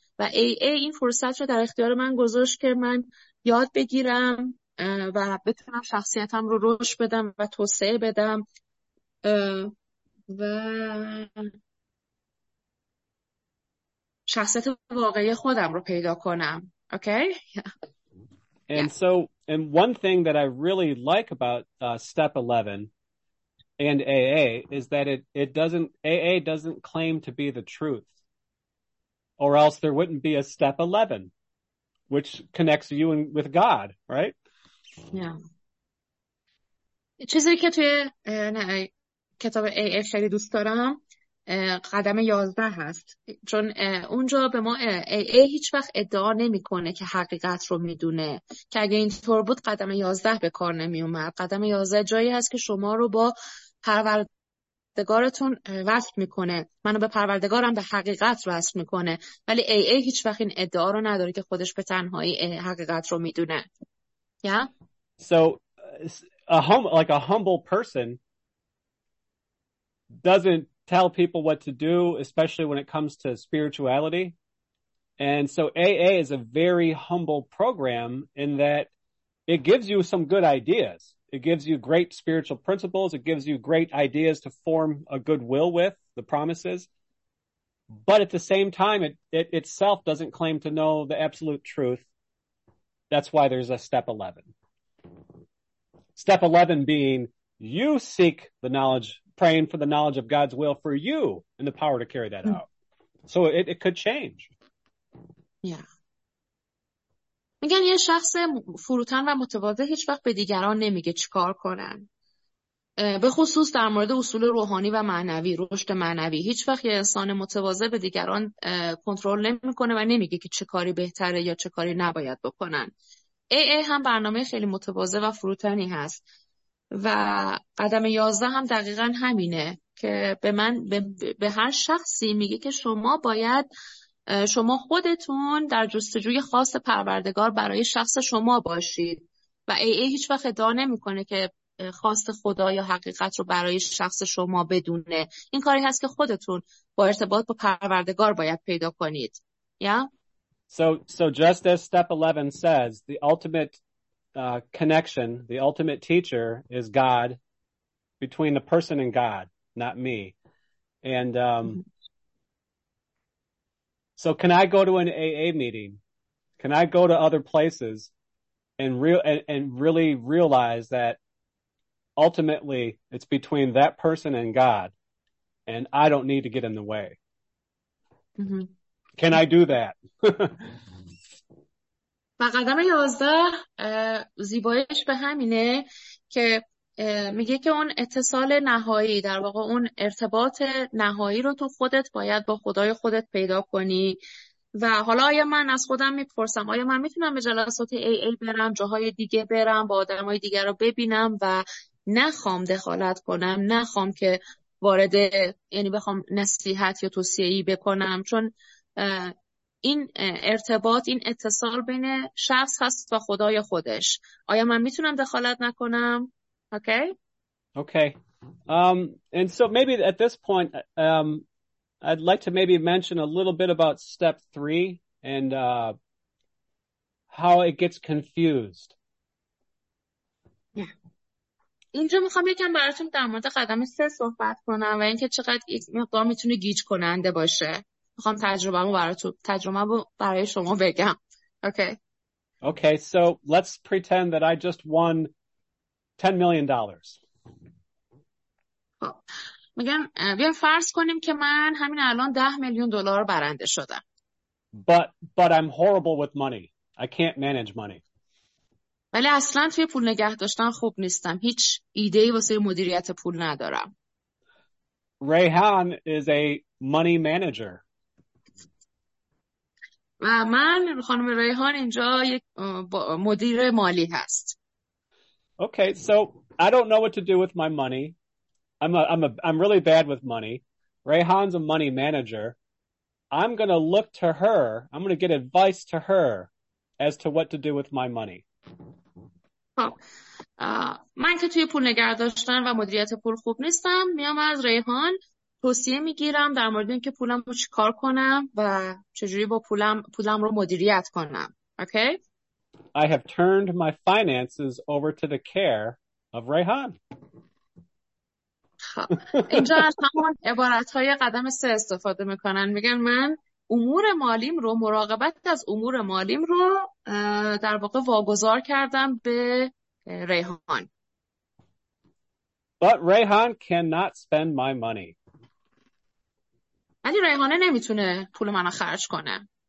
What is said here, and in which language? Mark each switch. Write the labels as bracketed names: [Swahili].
[Persian] و AA این فرصت رو در اختیار من گذاشت که من یاد بگیرم و بتونم شخصیتم رو رشد بدم و توسعه بدم. و شخصیت واقعی خودم رو پیدا کنم. [English] Okay? Yeah. And so, and one thing that I really like about step 11 and AA is that AA doesn't claim to be the truth. Or else there wouldn't be a step 11, which connects you and with God, right? Yeah. [Persian] چیزی که توی کتاب AA خیلی دوست دارم قدم 11 هست. چون اونجا به ما AA هیچ وقت ادعا نمی کنه که حقیقت رو می دونه. که اگه اینطور بود قدم 11 به کار نمی اومد. قدم 11 جایی هست که شما رو با پروردگارتون وصل میکنه، منو به پروردگارم به حقیقت وصل میکنه، ولی AA هیچ وقت این ادعا رو نداره که خودش به تنهایی حقیقت رو میدونه. [English] Yeah? So a humble person doesn't tell people what to do, especially when it comes to spirituality. And so AA is a very humble program in that it gives you some good ideas. It gives you great spiritual principles. It gives you great ideas to form a good will with, the promises. But at the same time, it itself doesn't claim to know the absolute truth. That's why there's a step 11. Step 11 being you seek the knowledge, praying for the knowledge of God's will for you and the power to carry that out. So it could change. Yeah. [Persian] میگن یه شخص فروتن و متواضع هیچ وقت به دیگران نمیگه چیکار کنن، به خصوص در مورد اصول روحانی و معنوی، رشد معنوی. هیچ وقت یه انسان متواضع به دیگران کنترل نمیکنه و نمیگه که چه کاری بهتره یا چه کاری نباید بکنن. AA هم برنامه خیلی متواضع و فروتنی هست و قدم 11 هم دقیقاً همینه که به هر شخصی میگه که شما باید شما خودتون در جستجوی خاص پروردگار برای شخص شما باشید و AA هیچ وقت ادعا نمی‌کنه که خواست خدا یا حقیقت رو برای شخص شما بدونه. این کاری هست که خودتون با ارتباط با پروردگار باید پیدا کنید. [English] So just as step 11 says, the ultimate connection, the ultimate teacher is God, between the person and God, not me. And so can I go to an AA meeting? Can I go to other places and really realize that ultimately it's between that person and God, and I don't need to get in the way? Mm-hmm. Can I do that? [Persian] و قدم 11 زیبایش به همینه که میگه که اون اتصال نهایی، در واقع اون ارتباط نهایی رو تو خودت باید با خدای خودت پیدا کنی. و حالا آیا من از خودم میپرسم آیا من میتونم به جلسات AA برم، جاهای دیگه برم، با آدمای دیگه رو ببینم و نخوام دخالت کنم، نخوام که وارد، یعنی بخوام نصیحت یا توصیه‌ای بکنم، چون این ارتباط، این اتصال بین شخص هست و خدای خودش، آیا من میتونم دخالت نکنم؟ Okay. [English] And so maybe at this point, I'd like to maybe mention a little bit about step 3 and how it gets confused. [Persian] اینجا میخوام یکم براتون در مورد قدم 3 صحبت کنم و اینکه چقدر این مقدار میتونه گیج کننده باشه. میخوام تجربه‌مو برای شما بگم. [English] Okay, so let's pretend that I just won $10 million. [Persian] میگم بیان فرض کنیم که من همین الان 10 میلیون دلار برنده شدم. [English] But I'm horrible with money. I can't manage money. [Persian] ولی اصلا توی پول نگه داشتن خوب نیستم. هیچ ایده‌ای واسه مدیریت پول ندارم. [English] Rehan is a money manager. [Persian] و من خانم ریحان اینجا یک مدیر مالی هست. [English] Okay, so I don't know what to do with my money. I'm really bad with money. Rehan's a money manager. I'm going to look to her. I'm going to get advice to her as to what to do with my money. [Persian] من که توی پول نگه داشتن و مدیریت پول خوب نیستم، میام از ریحان توصیه میگیرم در مورد اینکه پولم رو چیکار کنم و چجوری با پولم رو مدیریت کنم. [English] Okay? I have turned my finances over to the care of Rehan. [Persian] اینجا از همون عبارت‌های قدم 3 استفاده می‌کنن. میگن من امور مالیم رو، مراقبت از امور مالیم رو در واقع واگذار کردم به ریحان. [English] But Rehan cannot spend my money. [Persian] ولی ریحانه نمیتونه پول منو خرج کنه.